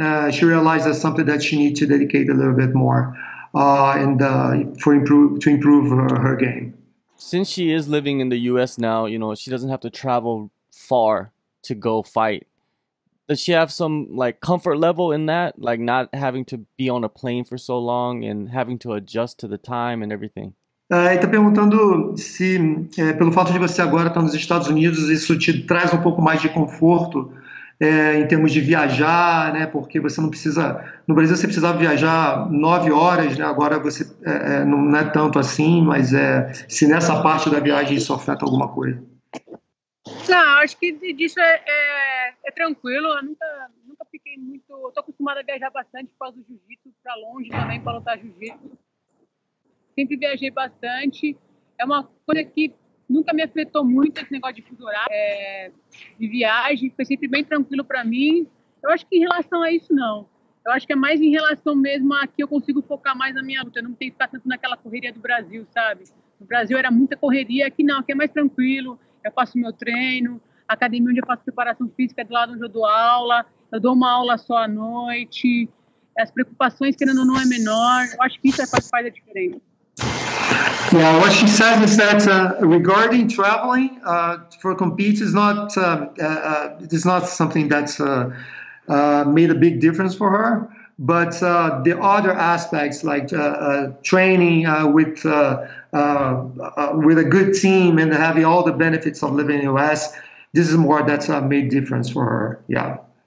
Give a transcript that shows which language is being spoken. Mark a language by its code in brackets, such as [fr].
[en] She realized that's something that she needs to dedicate a little bit more, to improve her game. Since she is living in the U.S. now, you know, she doesn't have to travel far to go fight. Does she have some like comfort level in that, like not having to be on a plane for so long and having to adjust to the time and everything? [pt] Tá perguntando se pelo fato de você agora estar nos Estados Unidos, isso te traz um pouco mais de conforto em termos de viajar, né? Porque você não precisa, no Brasil você precisava viajar 9 horas, né? Agora você não é tanto assim, mas se nessa parte da viagem isso afeta alguma coisa. Não, acho que disso é tranquilo. Eu nunca fiquei muito. Eu tô acostumada a viajar bastante por causa do jiu-jitsu, para longe também, para lutar jiu-jitsu. Sempre viajei bastante. É uma coisa que nunca me afetou muito, esse negócio de fuso horário, de viagem. Foi sempre bem tranquilo para mim. Eu acho que em relação a isso, não. Eu acho que é mais em relação mesmo a que eu consigo focar mais na minha luta. Eu não tenho que ficar tanto naquela correria do Brasil, sabe? No Brasil era muita correria. Aqui não, aqui é mais tranquilo. Eu faço meu treino, academia onde eu faço preparação física, do lado onde eu dou aula, eu dou uma aula só à noite, as preocupações, querendo ou não, é menor. Eu acho que isso faz a diferença. [en] Yeah, what she says is that regarding traveling for competes, it's not something that's made a big difference for her, but the other aspects like training with a good team and having all the benefits of living in the U.S., this is more that's a made difference for her, yeah.